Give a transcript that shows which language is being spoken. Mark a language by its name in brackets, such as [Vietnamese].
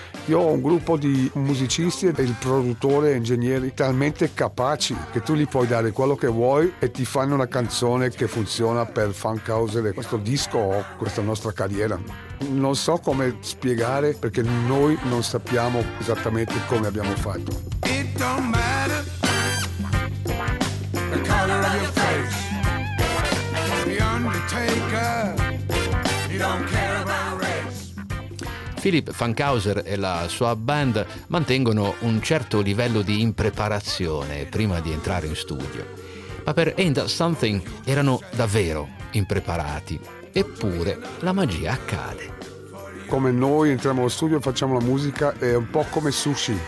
[Italian] Io ho un gruppo di musicisti e il produttore, ingegneri talmente capaci che tu gli puoi dare quello che vuoi e ti fanno una canzone che funziona per Funkhauser, questo disco o questa nostra carriera. Non so come spiegare, perché noi non sappiamo esattamente come abbiamo fatto. [English] It don't matter the color of your face. The Undertaker, you don't care about. [Italian] Philip Funkhauser e la sua band mantengono un certo livello di impreparazione prima di entrare in studio. Ma per Ain't That Something erano davvero impreparati. Eppure la magia accade. Come noi entriamo allo studio e facciamo la musica, è un po' come sushi.